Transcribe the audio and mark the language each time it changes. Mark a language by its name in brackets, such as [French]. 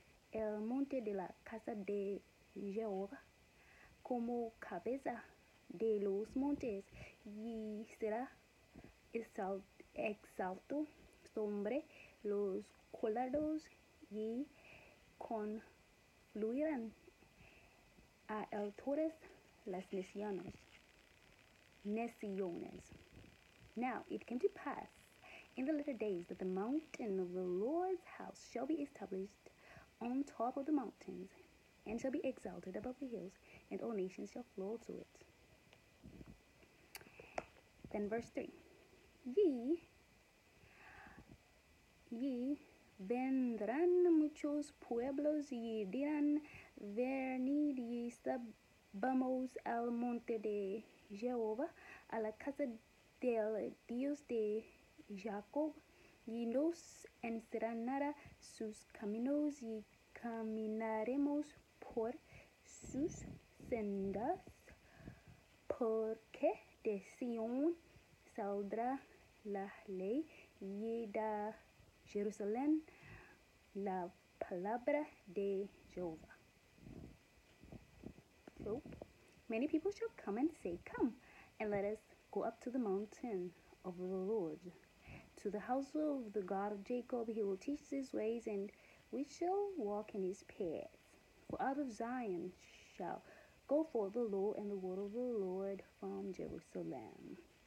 [Spanish] el monte de la casa de Jehová como cabeza de los montes y será exalto sobre los collados y confluirán a alturas las naciones. [English] Now it came to pass in the latter days that the mountain of the Lord's house shall be established on top of the mountains, and shall be exalted above the hills, and all nations shall flow to it. Then verse 3. [Spanish] Ye vendrán muchos pueblos y dirán, venid y subamos al monte de Jehová, a la casa del Dios de Jacob, y nos enseñará sus caminos y caminaremos por sus sendas, porque de Sion saldrá la ley y de Jerusalén la palabra de Jehová. [English] So, many people shall come and say, come, and let us go up to the mountain of the Lord, to the house of the God of Jacob. He will teach his ways, and we shall walk in his paths. For out of Zion shall go forth the law and the word of the Lord from Jerusalem.